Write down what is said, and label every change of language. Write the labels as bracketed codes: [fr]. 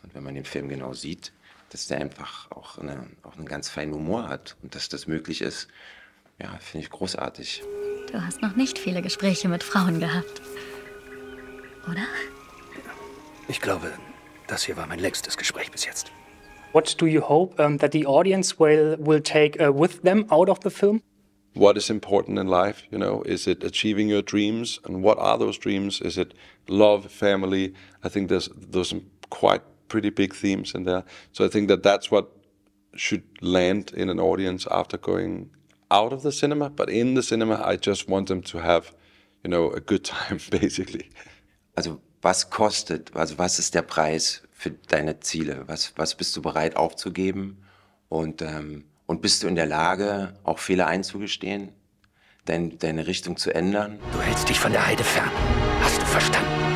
[de] Und wenn man den Film genau sieht, dass der einfach auch einen ganz feinen Humor hat und dass das möglich ist, ja, finde ich großartig. Du hast noch nicht viele Gespräche mit Frauen gehabt, oder? Ich glaube, das hier war mein längstes Gespräch bis jetzt. [en] What do you hope that the audience will take with them out of the film? what is important in life, you know? Is it achieving your dreams? And what are those dreams? Is it love, family? I think there's some quite pretty big themes in there. So I think that that's what should land in an audience after going out of the cinema. But in the cinema, I just want them to have, you know, a good time, basically. [de] Also, was kostet, also was ist der Preis für deine Ziele? Was bist du bereit aufzugeben? Und bist du in der Lage, auch Fehler einzugestehen, deine Richtung zu ändern? Du hältst dich von der Heide fern. Hast du verstanden?